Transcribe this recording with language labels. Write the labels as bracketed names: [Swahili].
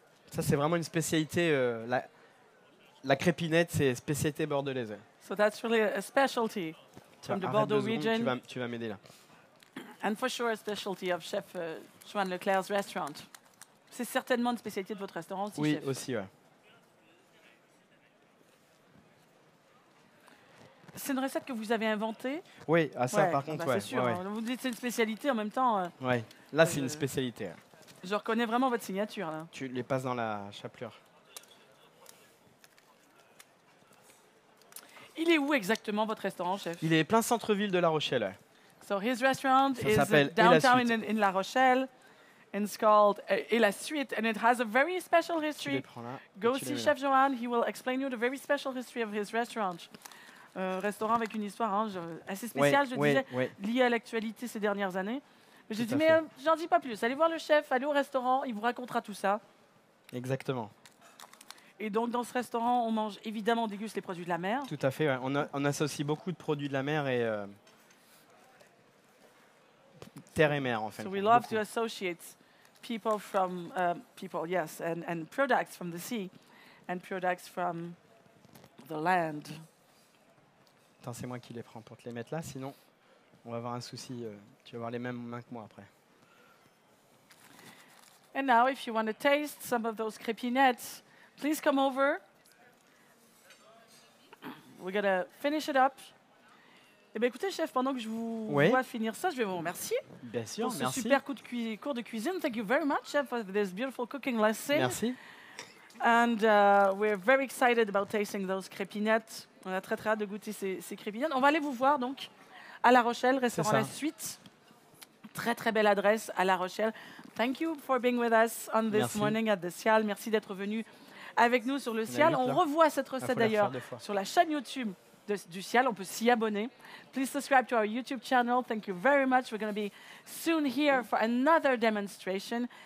[French] Ça, c'est vraiment une spécialité, la crépinette, c'est spécialité bordelaise. [English] So that's really a specialty from the Bordeaux region. [French] Tu vas m'aider là. [English] And for sure a specialty of chef Joan Leclerc's restaurant. [French] C'est certainement une spécialité de votre restaurant aussi, oui, chef. Oui, aussi, ouais. C'est une recette que vous avez inventée. Oui, à ça, ouais, par contre, bah, ouais. C'est sûr, ouais. Hein. Vous dites que c'est une spécialité en même temps. Oui, là, c'est une spécialité. Je reconnais vraiment votre signature là. Tu les passes dans la chapelure. Il est où exactement votre restaurant, chef? Il est plein centre-ville de La Rochelle. [English] So his restaurant ça is downtown in La Rochelle, and it's called Et la Suite, and it has a very special history. [French] Tu les prends là. [English] Go see Chef Johan. He will explain you the very special history of his restaurant. [French] Restaurant avec une histoire assez spéciale, ouais, ouais, disais, ouais. Liée à l'actualité ces dernières années. J'ai dit, mais j'en dis pas plus. Allez voir le chef, allez au restaurant, il vous racontera tout ça. Exactement. Et donc, dans ce restaurant, on mange évidemment, on déguste les produits de la mer. Tout à fait, ouais. On associe beaucoup de produits de la mer et. Terre et mer, en fait. [English] So we love to associate people from people, yes, and products from the sea, and products from the land. [French] Attends, c'est moi qui les prends pour te les mettre là, sinon on va avoir un souci. Tu vas avoir les mêmes mains que moi après. [English] And now, if you want to taste some of those crépinettes, please come over. We're gonna finish it up. [French] Eh bien, écoutez, chef, pendant que je vous vois finir ça, je vais vous remercier. Bien sûr, pour ce merci. Super coup de cours de cuisine. [English] Thank you very much, chef, for this beautiful cooking lesson. [French] Merci. [English] And we're very excited about tasting those crépinettes. [French] On a très, très hâte de goûter ces crépinettes. On va aller vous voir, donc, à La Rochelle, restaurant La Suite. Très, très belle adresse à La Rochelle. [English] Thank you for being with us on this merci. Morning at the Cial. [French] Merci d'être venu avec nous sur le Cial. On revoit cette recette, d'ailleurs, sur la chaîne YouTube. Du Cial, on peut s'y abonner. [English] Please subscribe to our YouTube channel. Thank you very much. We're going to be soon here for another demonstration.